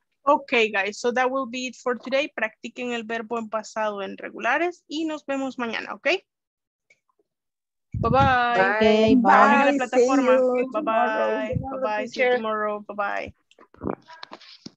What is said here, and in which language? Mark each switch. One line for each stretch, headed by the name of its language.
English: Okay, guys, so that will be it for today.
Spanish: Practiquen el verbo en pasado en regulares y nos vemos mañana, okay?
English: Bye-bye. Okay, bye. Bye-bye. Bye-bye. See you tomorrow. Bye-bye.